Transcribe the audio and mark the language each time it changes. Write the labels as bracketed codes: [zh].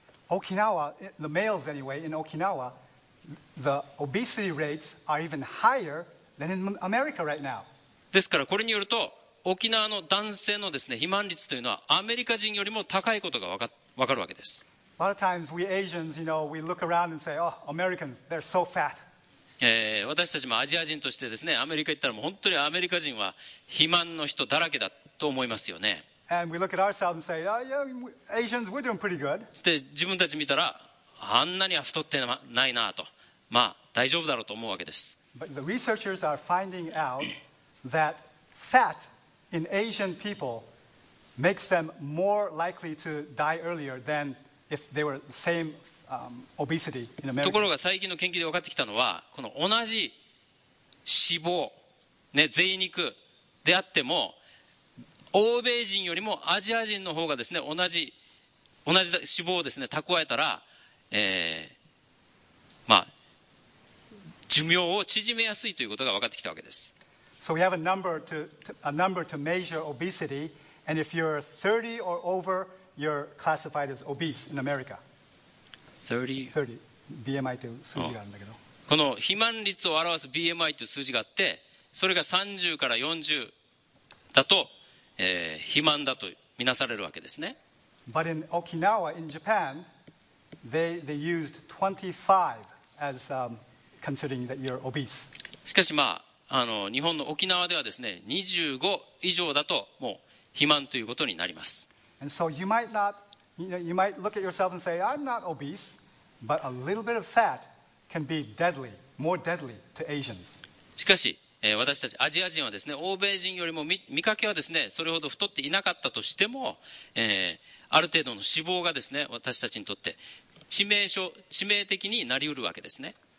[en] Okinawa, the males anyway, in Okinawa, the obesity rates are even higher than in America right now. [ja] ですからこれによると、沖縄の男性のですね、肥満率というのはアメリカ人よりも高いことが分かるわけです。 [en] A lot of times we Asians, you know, we look around and say, oh, Americans, they're so fat. [ja] 私たちもアジア人としてですね、アメリカ行ったらもう本当にアメリカ人は肥満の人だらけだと思いますよね。 [en] And we look at ourselves and say, oh, yeah, Asians, we're doing pretty good. [ja] そして自分たち見たら、あんなに太ってないなと、まあ大丈夫だろうと思うわけです。 [en] But the researchers are finding out that fat in Asian people makes them more likely to die earlier than if they were the same obesity in America. [ja] ところが最近の研究で分かってきたのは、この同じ脂肪、ね、贅肉であっても、欧米人よりもアジア人の方がですね、同じ脂肪をですね、蓄えたら、寿命を縮めやすいということが分かってきたわけです。 [en] So we have a number to measure obesity, and if you're 30 or over, you're classified as obese in America. 30 [ja] BMI という数字があるんだけど。この肥満率を表す BMI という数字があって、それが30から40だと、肥満だとみなされるわけですね。 [en] But in Okinawa, in Japan, they used 25 as considering that you're obese. [ja] しかし日本の沖縄ではですね、25以上だともう肥満ということになります。しかし、私たちアジア人はですね、欧米人よりも 見かけはですね、それほど太っていなかったとしても、ある程度の脂肪がですね、私たちにとって致命的になりうるわけですね。